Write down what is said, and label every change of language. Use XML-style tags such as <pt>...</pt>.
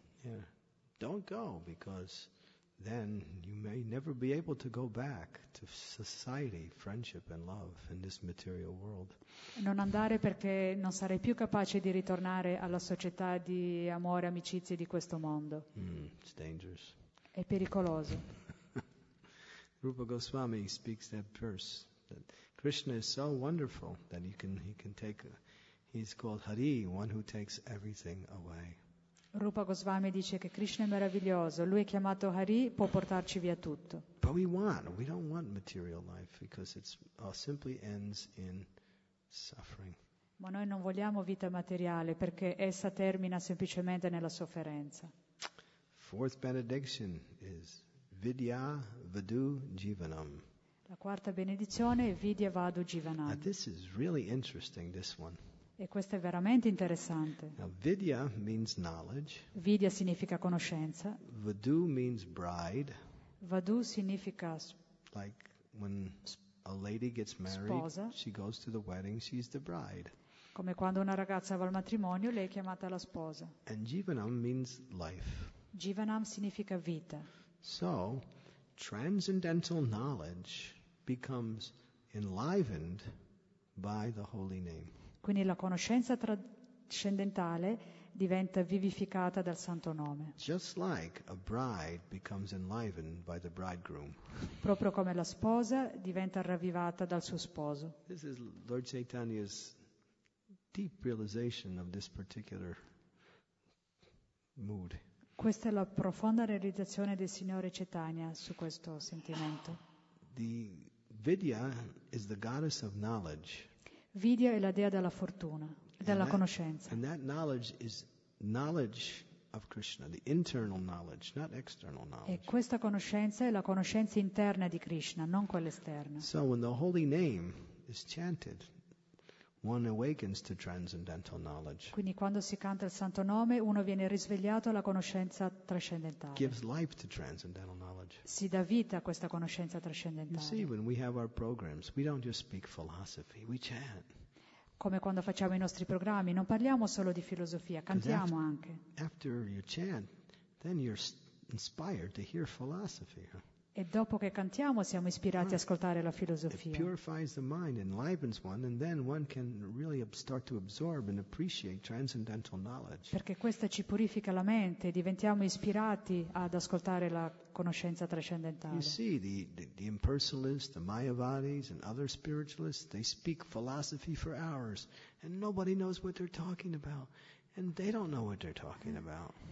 <en>Yeah. Don't go, because then you may never be able to go back to society, friendship and love in this material world.</en> <it>Non andare perché non sarei più capace di ritornare alla società di amore, amicizie di questo mondo.</it> <en>It's dangerous.</en> <it>È pericoloso.</it> <en>Rupa Goswami speaks that verse that Krishna is so wonderful that he can take. He's called Hari, one who takes everything away.</en> <it>Rupa Goswami dice che Krishna è meraviglioso, lui è chiamato Hari, può portarci via tutto.</it> <en>But we don't want material life because it simply ends in suffering.</en> <it>Ma noi non vogliamo vita materiale perché essa termina semplicemente nella sofferenza.</it> <en>Fourth benediction is Vidya Vadu Jivanam.</en> <it>La quarta benedizione è Vidya Vadu Jivanam.</it> <en>This is really interesting, this one.</en> <it>E questo è veramente interessante.</it> <en>Now, Vidya means knowledge.</en> <it>Vidya significa conoscenza.</it> <en>Vadu means bride.</en> <it>Vadu significa</it> <en>like when a lady gets married,</en> <it>sposa.</it> <en>She goes to the wedding, she's the bride.</en> <it>Come quando una ragazza va al matrimonio, lei è chiamata la sposa.</it> <en>And Jivanam means life.</en> <it>Jivanam significa vita.</it> <en>So, transcendental knowledge becomes enlivened by the holy name.</en> <it>Quindi la conoscenza trascendentale diventa vivificata dal santo nome.</it> <en>Just like a bride becomes enlivened by the bridegroom.</en> <it>Proprio come la sposa diventa ravvivata dal suo sposo.</it> <en>This is Lord Chaitanya's deep realization of this particular mood.</en> <it>Questa è la profonda realizzazione del Signore Chaitanya su questo sentimento.</it> <en>The Vidya is the goddess of knowledge.</en> <it>Vidya è la dea della fortuna, della conoscenza.</it> <en>And that knowledge is knowledge of Krishna, the internal knowledge, not external knowledge.</en> <it>E questa conoscenza è la conoscenza interna di Krishna, non quella esterna.</it> <en>So when the holy name is chanted, one awakens to transcendental knowledge.</en> <it>Quindi quando si canta il santo nome, uno viene risvegliato alla conoscenza trascendentale.</it> <en>Gives life to transcendental knowledge.</en> <it>Si dà vita a questa conoscenza trascendentale.</it> <en>You see, when we have our programs, we don't just speak philosophy, we chant.</en> <it>Come quando facciamo i nostri programmi, non parliamo solo di filosofia, cantiamo anche.</it> <en>After you chant, then you're inspired to hear philosophy.</en> <it>E dopo che cantiamo siamo ispirati ad ascoltare la filosofia.</it> <en>It purifies the mind, enlivens one, and then one can really start to absorb and appreciate transcendental knowledge.</en> <it>Perché questa ci purifica la mente, diventiamo ispirati ad ascoltare la conoscenza trascendentale.</it> <en>You see, the impersonalists, the Mayavadis, and other spiritualists, they speak philosophy for hours, and nobody knows what they're talking about. And they don't know what they're talking about.</en>